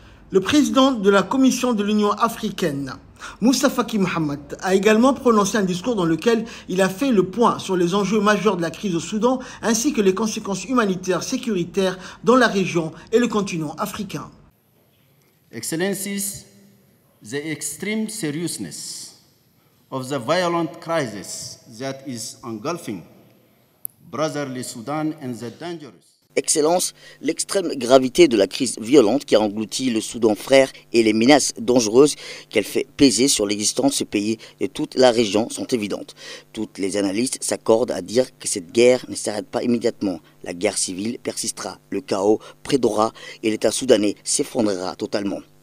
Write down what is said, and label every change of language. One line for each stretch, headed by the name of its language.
French: Le président de la Commission de l'Union africaine, Moussa Faki Mohamed, a également prononcé un discours dans lequel il a fait le point sur les enjeux majeurs de la crise au Soudan ainsi que les conséquences humanitaires, sécuritaires dans la région et le continent africain.
English: Excellencies, the extreme seriousness of the violent crisis that is engulfing brotherly Sudan and the dangerous.
French: Excellence, l'extrême gravité de la crise violente qui a englouti le Soudan frère et les menaces dangereuses qu'elle fait peser sur l'existence de ce pays et toute la région sont évidentes. Toutes les analystes s'accordent à dire que cette guerre ne s'arrête pas immédiatement. La guerre civile persistera, le chaos prédera et l'État soudanais s'effondrera totalement.